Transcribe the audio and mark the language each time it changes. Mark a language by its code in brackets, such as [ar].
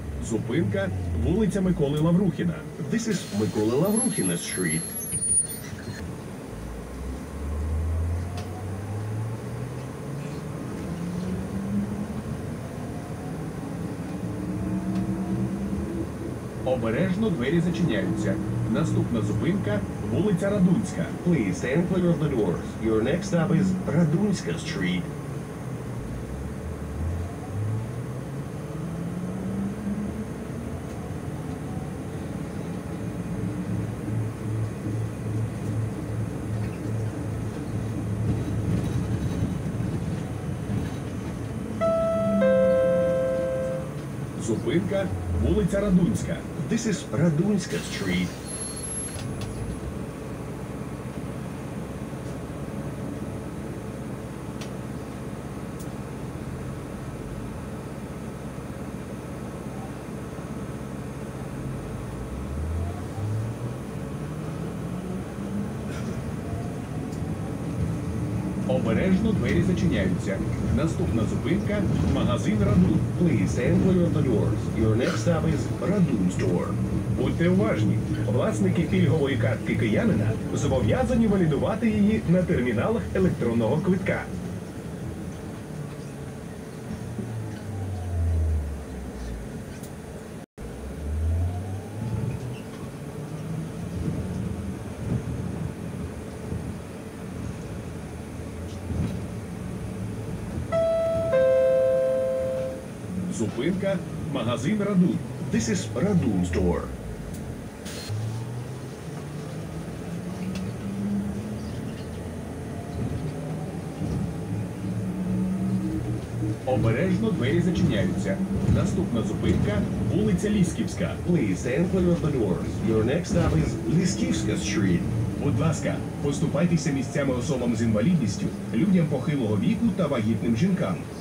[uk] Зупинка – вулиця Миколи Лаврухіна. [en] This is Миколи Лаврухіна Street. [uk] Обережно двері зачиняються. Наступна зупинка – вулиця Радунська. [en] Please stand clear of the doors. Your next stop is Радунська Street. [uk] Зупинка – вулиця Радунська. [en] This is Радунська Street. [uk] Обережно двері зачиняються. Наступна зупинка – магазин «Радун». [en] Please enter the doors. Your next stop is «Радун Store». [uk] Будьте уважні! Власники пільгової картки киянина зобов'язані валідувати її на терміналах електронного квитка. Зупинка – магазин «Радун». [en] This is «Радун Store». [uk] Обережно двері зачиняються. Наступна зупинка – вулиця Лісківська. [en] Please enter the doors. Your next stop is Лісківська Street. [uk] Будь ласка, поступайтеся місцями особам з інвалідністю, людям похилого віку та вагітним жінкам.